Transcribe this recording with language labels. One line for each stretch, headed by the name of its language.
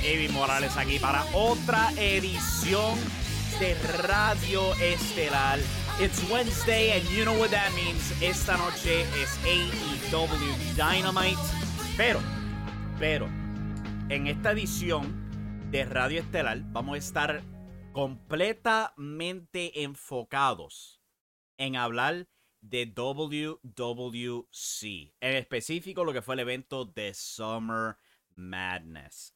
Spanish: Evie Morales aquí para otra edición de Radio Estelar.
English: It's Wednesday and you know what that means.
Spanish: Esta noche es AEW Dynamite. Pero, en esta edición de Radio Estelar vamos a estar completamente enfocados en hablar de WWC, en específico lo que fue el evento de Summer Madness.